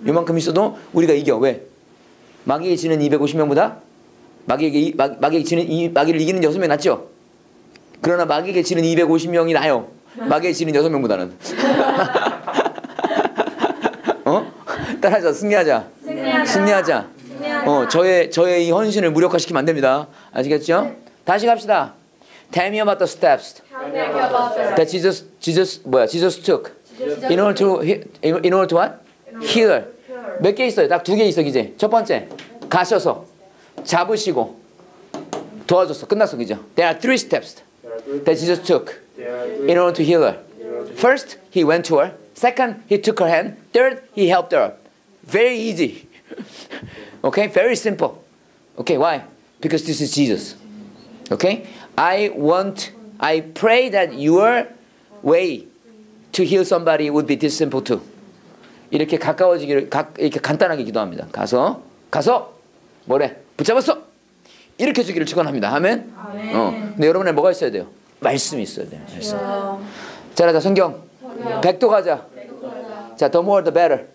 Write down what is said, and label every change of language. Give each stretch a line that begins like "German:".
Korean: 이만큼 있어도 우리가 이겨. 왜? 마귀에 지는 250명보다 마귀를 이기는 6명이 낫죠? 그러나 마귀에게 지는 250명이 나아요. 마귀에 지는 6명보다는. 따라하자. 승리하자. 승리하자. 승리하자. 승리하자. 저의 이 헌신을 무력화시키면 안 됩니다. 아시겠죠? 네. 다시 갑시다.
English: Tell me about the steps that Jesus took in order to what? Heal.
Korean: 몇 개 있어요? 딱 두 개 있어, 이제. 첫 번째. 가셔서 잡으시고 도와줬어. 끝났어, 그죠?
English: There are three steps that Jesus took in order to heal her. First, he went to her. Second, he took her hand. Third, he helped her. Very easy. Okay? Very simple. Okay, why? Because this is Jesus. Okay? I pray that your way to heal somebody would be this simple too.
Korean: 이렇게 가까워지기를 이렇게 간단하게 기도합니다. 가서 뭐래? 붙잡았어. 이렇게 주기를 축원합니다. 아멘. 아멘. 근데 여러분에 뭐가 있어야 돼요? 말씀이 있어야 돼요. 말씀. 자라자 성경. 백도 가자. 자,
English: the more the better.